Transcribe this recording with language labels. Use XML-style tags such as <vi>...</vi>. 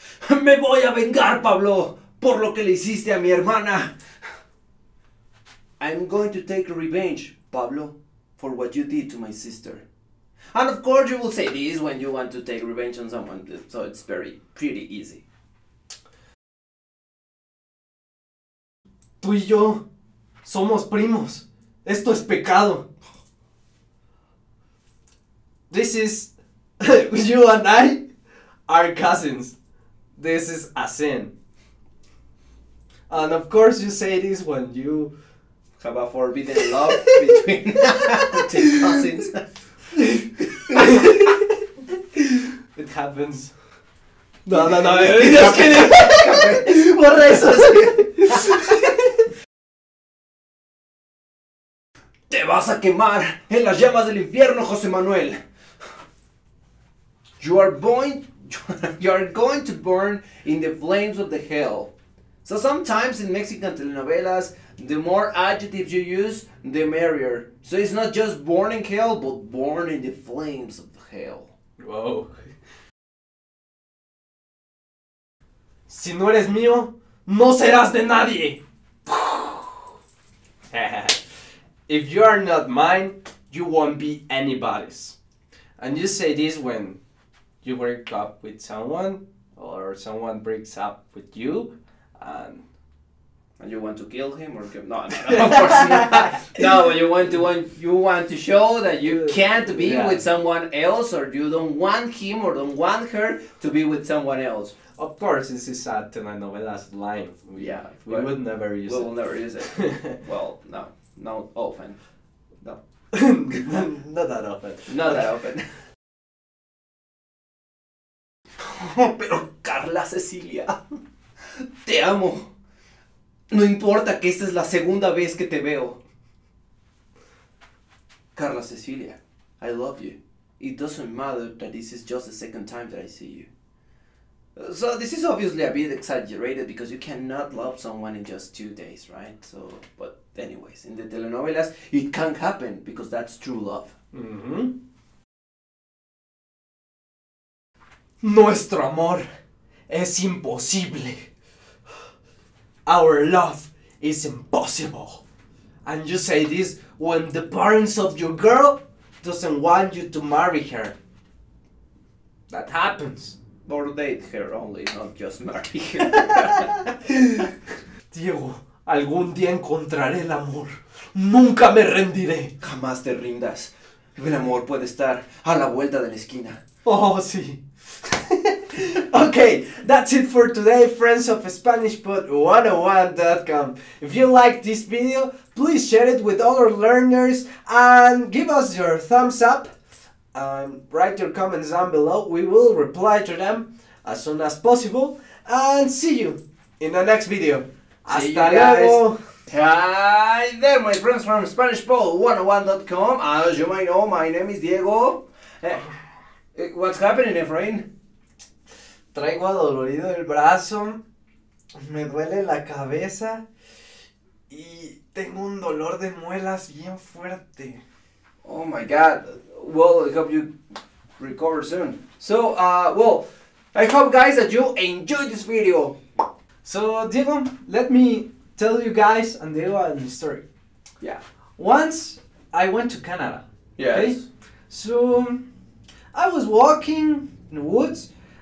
<es>Me voy a vengar, Pablo, por lo que le hiciste a mi hermana.</es> <en>I'm going to take revenge, Pablo, for what you did to my sister. And of course you will say this when you want to take revenge on someone, so it's very, pretty easy.</en> <es>Tú y yo somos primos. Esto es pecado.</es> <en>This is... you and I are cousins. This is a sin. And of course you say this when you have a forbidden love between cousins. It happens. No, no, no. Just kidding.</en> <es>Borra eso. Te vas a quemar en las llamas del infierno, José Manuel.</es> <en>You are going to burn in the flames of the hell. So sometimes in Mexican telenovelas, the more adjectives you use, the merrier. So it's not just born in hell, but born in the flames of hell. Whoa.</en> <es>Si no eres mío, no serás de nadie.</es> <en>If you are not mine, you won't be anybody's. And you say this when you break up with someone, or someone breaks up with you, and you want to kill him or kill him. No, of course not. No, you want to show that you can't be with someone else, or you don't want him or don't want her to be with someone else. Of course, this is a telenovela's line. We would never use it. We will never use it. Well, no. Not often. No. Not that often. Not that often.</en> <es>Pero Carla Cecilia, te amo. No importa que esta es la segunda vez que te veo.</es> <en>Carla Cecilia, I love you. It doesn't matter that this is just the second time that I see you. So this is obviously a bit exaggerated because you cannot love someone in just 2 days, right? So, but anyways, in the telenovelas, it can happen because that's true love. Mm-hmm.</en> <es>Nuestro amor es imposible.</es> <en>Our love is impossible. And you say this when the parents of your girl doesn't want you to marry her. That happens. Or date her only, not just marry her.</en> <es>Diego, algún día encontraré el amor. Nunca me rendiré. Jamás te rindas. El amor puede estar a la vuelta de la esquina. Oh, sí.</es> <en>Okay, that's it for today, friends of SpanishPod101.com. If you like this video, please share it with other learners and give us your thumbs up. Write your comments down below. We will reply to them as soon as possible. And see you in the next video.</en> <es>Hasta luego.</es> <en>Hi there, my friends from SpanishPod101.com. As you might know, my name is Diego. What's happening, Efraín?</en> <es>Traigo adolorido el brazo, me duele la cabeza y tengo un dolor de muelas bien fuerte.</es> <en>Oh my god. Well, I hope you recover soon. So, well, I hope guys that you enjoyed this video. So, Diego, let me tell you guys and Diego a story. Yeah. Once I went to Canada. Yes. Okay? So, I was walking in the woods.</en>